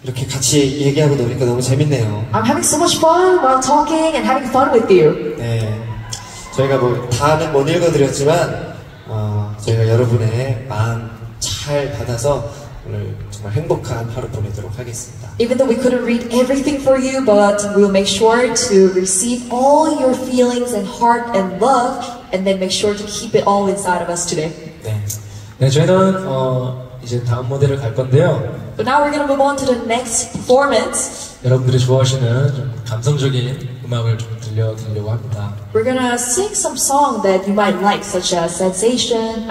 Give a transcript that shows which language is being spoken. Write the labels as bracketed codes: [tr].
[ko] 같이 얘기하고 노니까 너무 재밌네요. [en] I'm having so much fun while talking and having fun with you. [ko] 네, 저희가 뭐 다는 못 읽어드렸지만 저희가 여러분의 마음 잘 받아서 오늘 정말 행복한 하루 보내도록 하겠습니다. [en] Even though we couldn't read everything for you, but we'll make sure to receive all your feelings and heart and love, and then make sure to keep it all inside of us today. [ko] 네, 네 저희는 이제 다음 무대를 갈 건데요. [en] But now we're gonna move on to the next performance. [ko] 여러분들이 좋아하시는 좀 감성적인 음악을 좀 들려드리려고 합니다. [en] We're gonna sing some song that you might like, such as sensation.